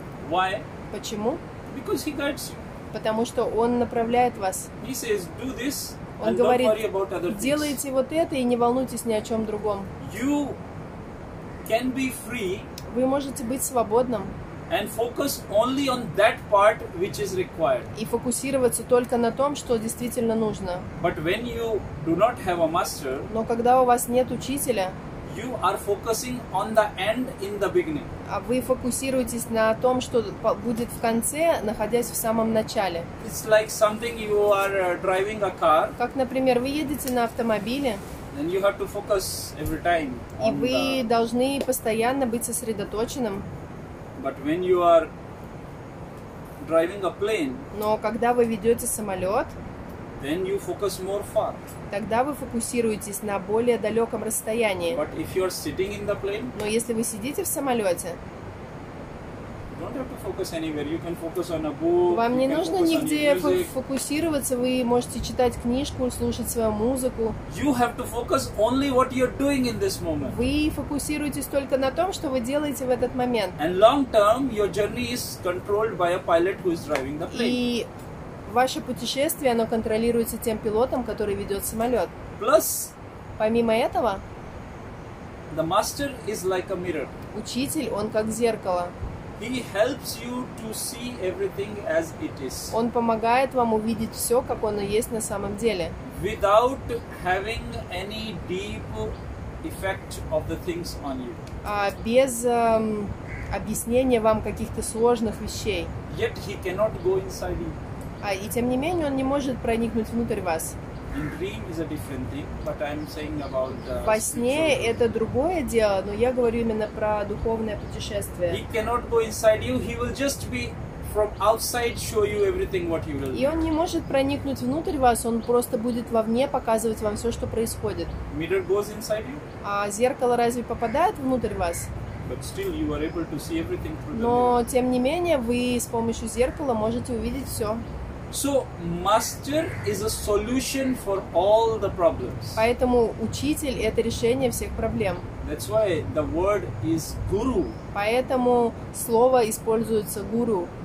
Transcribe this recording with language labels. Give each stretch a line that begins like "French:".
English: Why?
Russian: Почему?
English: Because he guides you.
Russian: Потому что он направляет вас.
English: He says, do this,
Russian: он
English: and
Russian: говорит,
English: don't worry about other things.
Russian: Делайте вот это и не волнуйтесь ни о чем другом.
English: You can be free.
Russian: Вы можете быть свободным.
English: And focus only on that part which is required.
Russian: И фокусироваться только на том, что действительно нужно.
English: But when you do not have a master,
Russian: но когда у вас нет учителя,
English: you are focusing on the end in the beginning.
Russian: А вы фокусируетесь на том, что будет в конце, находясь в самом начале.
English: It's like something you are driving a car.
Russian: Как, например, вы едете на автомобиле.
English: And you have to focus every time.
Russian: И вы должны постоянно быть сосредоточенным.
English: But when you are driving a plane,
Russian: но когда вы ведете самолет,
English: then you focus more far.
Russian: Тогда вы фокусируетесь на более далеком расстоянии.
English: But if you are sitting in the plane,
Russian: но если вы сидите в самолете,
English: you don't have to focus anywhere. You can focus on a book.
Russian: Вам не нужно нигде фокусироваться. Вы можете читать книжку, слушать свою музыку.
English: You have to focus only what you're doing in this moment.
Russian: Вы фокусируетесь только на том, что вы делаете в этот момент.
English: And long term, your journey is controlled by a pilot who is driving the plane.
Russian: И ваше путешествие, оно контролируется тем пилотом, который ведет самолет.
English: Plus,
Russian: помимо этого,
English: the master is like a mirror.
Russian: Учитель, он как зеркало.
English: He helps you to see everything as it is.
Russian: Он помогает вам увидеть все, как оно есть на самом деле.
English: Without having any deep effect of the things on you.
Russian: Без объяснения вам каких-то сложных вещей.
English: Yet he cannot go inside you.
Russian: И тем не менее он не может проникнуть внутрь вас.
English: In dream is a different thing, but I'm saying about the.
Russian: Во сне это другое дело, но я говорю именно про духовное путешествие.
English: He cannot go inside you. He will just be from outside, show you everything what you will.
Russian: И он не может проникнуть внутрь вас. Он просто будет вовне показывать вам все, что происходит.
English: Mirror goes inside you.
Russian: А зеркало разве попадает внутрь вас?
English: But still, you are able to see everything through the mirror.
Russian: Но тем не менее вы с помощью зеркала можете увидеть все.
English: So master is a solution for all the problems.
Russian: Поэтому учитель это решение всех проблем.
English: That's why the word is guru.
Russian: Поэтому слово используется guru.